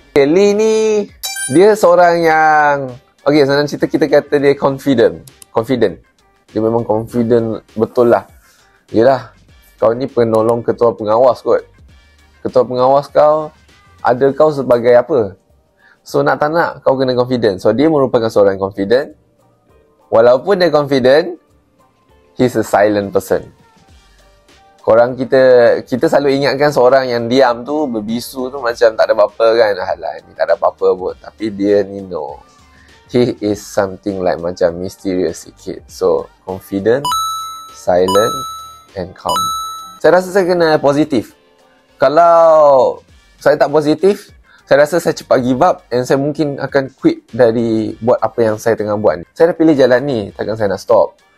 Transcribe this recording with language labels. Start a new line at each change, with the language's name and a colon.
Malay: Okay, Lee ni dia seorang yang okay, senang cerita kita kata dia confident. Dia memang confident betul lah. Yelah, kau ni penolong ketua pengawas kot. Ketua pengawas kau, ada kau sebagai apa? So nak tak nak, kau kena confident. So dia merupakan seorang yang confident. Walaupun dia confident,
English: he's a silent person.
Malay: Korang kita selalu ingatkan seorang yang diam tu, berbisu tu macam tak ada apa-apa kan. Alah, ni tak ada apa-apa pun. Tapi dia ni no.
English: He is something like
Malay: macam mysterious sikit.
English: So, confident, silent and calm.
Malay: Saya rasa saya kena positif. Kalau saya tak positif, saya rasa saya cepat
English: give up
Malay: and saya mungkin akan quit dari buat apa yang saya tengah buat ni. Saya dah pilih jalan ni, takkan saya nak stop.